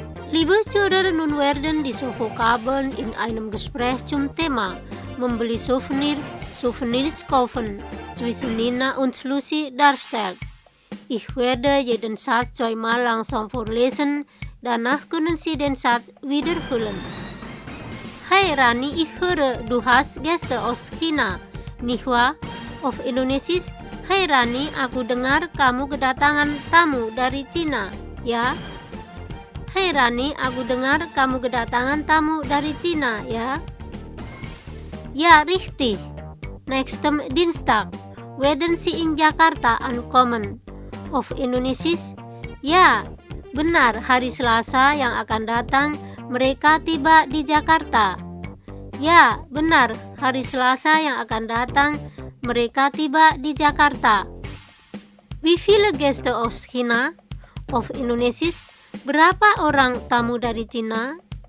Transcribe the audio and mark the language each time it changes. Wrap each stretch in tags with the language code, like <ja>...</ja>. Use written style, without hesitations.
<de>Liebe Zuhörer, nun werden diese Vokabeln in einem Gespräch zum Thema Membeli Souvenirs kaufen zwischen Nina und Lucy darstellt. Ich werde jeden Satz zweimal langsam vorlesen, danach können Sie den Satz wiederholen. Hey Rani, ich höre, du hast Gäste aus China, nicht wahr? Auf Indonesisch,</de> <id>hey Rani, aku dengar kamu kedatangan tamu dari China, ya? Hei Rani, aku dengar kamu kedatangan tamu dari Cina, ya?</id> <de>Ya, richtig. Nächste Dienstag, werden Sie in Jakarta ankommen. Of Indonesisch?</de> <id>Ya, benar, hari Selasa yang akan datang, mereka tiba di Jakarta. Ya, benar, hari Selasa yang akan datang, mereka tiba di Jakarta.</id> <de>Wie viele Gäste aus China? Of Indonesisch?</de> <id>Berapa orang tamu dari Cina?</id>